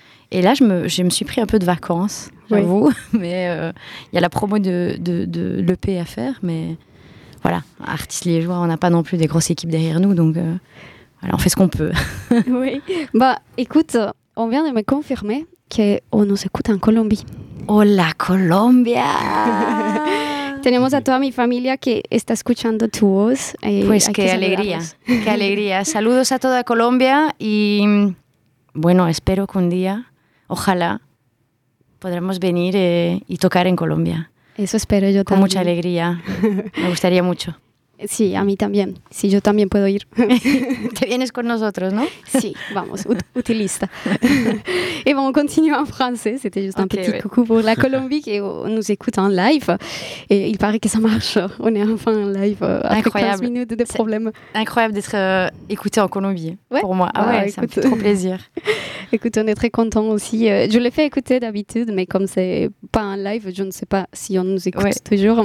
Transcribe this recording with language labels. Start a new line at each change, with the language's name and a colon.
French: Et là, je me suis pris un peu de vacances, j'avoue. Oui. Mais il y a la promo de l'EP à faire, mais voilà. Artistes liégeois, on n'a pas non plus des grosses équipes derrière nous, donc voilà, on fait ce qu'on peut. Oui. Bah, écoute, on vient de me confirmer qu'on nous écoute en Colombie.
Spanish: Hola Colombia. Tenemos a toda mi familia que está escuchando tu voz. Pues qué alegría, qué alegría. Saludos a toda Colombia y bueno, espero que un día, ojalá, podremos venir y tocar en Colombia. Eso espero yo también. Con mucha alegría, me gustaría mucho. Sí, a mí también. Sí, yo también puedo ir. Te vienes con nosotros, ¿no? Sí, vamos, utilista. Y bueno, continuamos en francés.
French: C'était juste un petit coucou pour la Colombie qui nous écoute en live. Et il paraît que ça marche. On est enfin en live après 15 minutes de problèmes. Incroyable d'être écouté en Colombie, ouais. Pour moi. Ah ouais, ça me fait trop plaisir. Écoute, on est très contents aussi. Je l'ai fait écouter d'habitude, mais comme c'est pas en live, je ne sais pas si on nous écoute toujours.